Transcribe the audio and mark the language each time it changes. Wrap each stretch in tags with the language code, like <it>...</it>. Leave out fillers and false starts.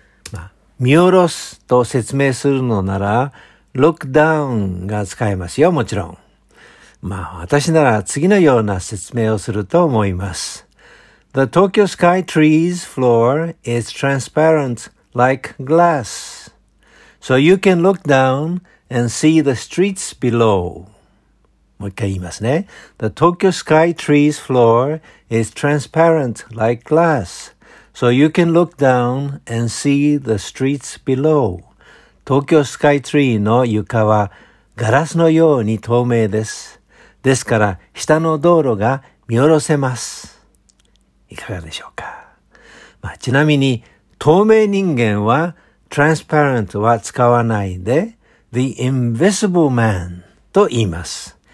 <ja>まあ、見下ろすと説明するのなら、</ja> <en>Look down</en> <ja>が使えますよ、もちろん。まあ、私なら次のような説明をすると思います。</ja> <en>The Tokyo Sky Tree's floor is transparent like glass. So you can look down and see the streets below. もう一回言いますね。 The Tokyo Sky Tree's floor is transparent like glass. So you can look down and see the streets below.</en> <ja>Tokyo Sky Tree の床はガラスのように透明です。ですから下の道路が見下ろせます。いかがでしょうか。まあ、ちなみに透明人間は transparent は使わないで</ja> <en>the invisible man</en> <ja>と言います。</ja>